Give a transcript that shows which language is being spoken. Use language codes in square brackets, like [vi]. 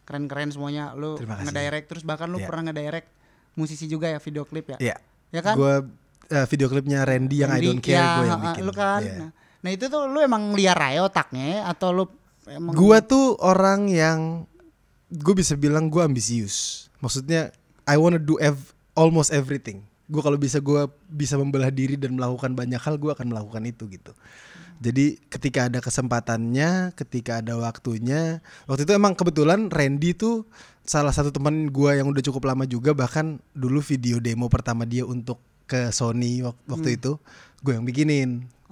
[id] Keren-keren semuanya lu ngedirect terus bahkan lu pernah ngedirect musisi juga ya video klip ya. Iya. Yeah. Ya kan? Gue video klipnya Randy yang Randy, I don't care yeah, gue yang bikin. Lu kan. Yeah. Nah itu tuh lu emang liar aja otaknya atau lu emang... Gua tuh orang yang gua bisa bilang gua ambisius. Maksudnya [en] I wanna do almost everything. [id] Gua kalau bisa gua bisa membelah diri dan melakukan banyak hal, gua akan melakukan itu gitu. Jadi ketika ada kesempatannya, ketika ada waktunya. Waktu itu emang kebetulan Randy tuh salah satu teman gua yang udah cukup lama juga, bahkan dulu video demo pertama dia untuk ke Sony waktu itu gua yang bikinin.